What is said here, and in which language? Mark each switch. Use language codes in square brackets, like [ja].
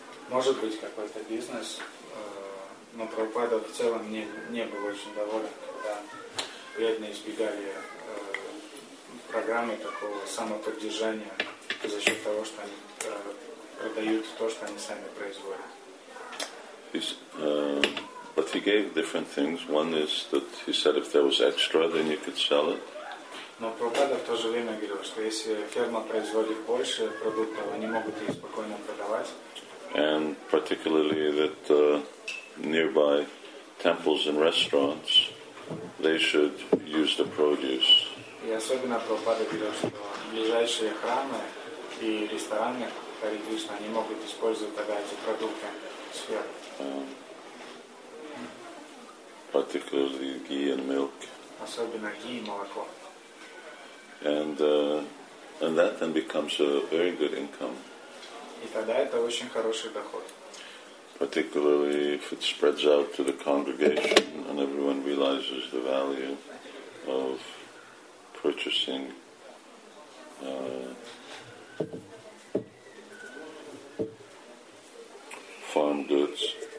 [ru] Может быть какой-то бизнес, но Прабхупада в целом не был очень доволен, когда преданные избегали программы такого самоподдержания за счет того, что они продают то, что они сами производят. [en] But he gave different things. One is that he said if there was extra, then you could sell it. [ru] Но Прабхупада в то же время говорил, что если ферма производит больше продуктов, они могут их спокойно продавать. [en] And particularly that nearby temples and restaurants, they should use the produce. [ru] И особенно Прабхупада говорил, что ближайшие храмы и рестораны, Хари Кришна, они могут использовать тогда эти продукты с фермы. [en] Particularly ghee and milk. [ru] Особенно ghee и молоко. [en] And that then becomes a very good income. [ru] И тогда это очень хороший доход. [en] Particularly if it spreads out to the congregation and everyone realizes the value of purchasing farm goods.